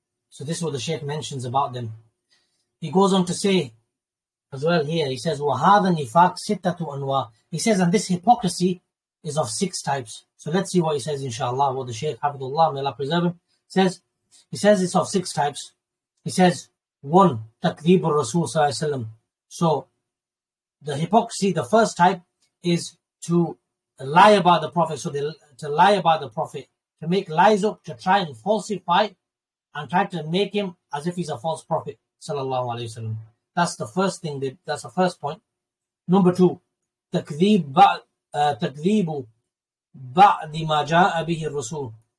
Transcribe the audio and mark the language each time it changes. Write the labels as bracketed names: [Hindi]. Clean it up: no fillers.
[English] So this is what the Shaykh mentions about them. He goes on to say, as well here, he says, [Arabic] وَهَذَا النِّفَاقُ سِتَّةُ أَنْوَاعٍ. [English] He says, and this hypocrisy is of six types. So let's see what he says, inshallah, what the Shaykh Hafidhullah, may Allah preserve him, says. He says it's of six types. He says, one, [Arabic] تَكْذِيبُ الرَّسُولِ صَلَّى اللَّهُ عَلَيْهِ وَسَلَّمَ. [English] So the hypocrisy, the first type, is to lie about the Prophet. So to lie about the Prophet, to make lies up, to try and falsify, and try to make him as if he's a false prophet, sallallahu alayhi wa sallam. That's the first thing. That's the first point. Number two, [Arabic] takdhibu ba'di ma ja'a bihi ar-rasul.